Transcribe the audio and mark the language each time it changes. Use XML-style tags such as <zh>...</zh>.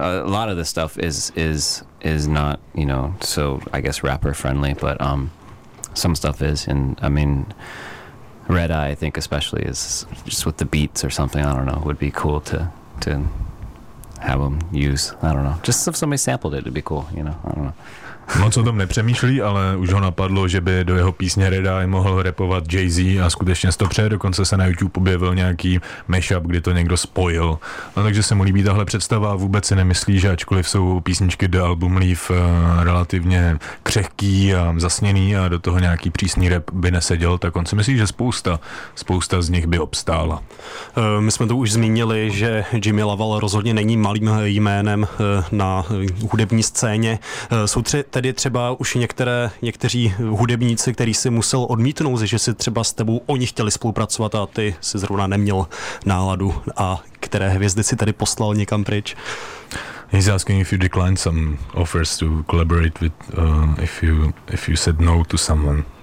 <en>A lot of the stuff is not, you know, so I guess rapper friendly, but some stuff is, and I mean Red Eye, I think especially is just with the beats or something, I don't know, would be cool to have them use. I don't know. Just if somebody sampled it, it'd be cool, you know. I don't know.</en> <cs>Moc o tom nepřemýšlí, ale už ho napadlo, že by do jeho písně Red Eye mohl rapovat Jay-Z a skutečně z to přeje. Dokonce se na YouTube objevil nějaký mashup, kdy to někdo spojil. No, takže se mu líbí tahle představa a vůbec si nemyslí, že ačkoliv jsou písničky The Album Leaf relativně křehký a zasněný a do toho nějaký přísný rap by neseděl, tak on si myslí, že spousta z nich by obstála. My jsme to už zmínili, že Jimmy Laval rozhodně není malým jménem na hudební scéně. Jsou tedy třeba už někteří hudebníci, který si musel odmítnout, že si třeba s tebou oni chtěli spolupracovat a ty si zrovna neměl náladu a které hvězdy si tady poslal někam pryč.</cs> <en>He's asking if you declined some offers to collaborate with, if you said no to someone.</en>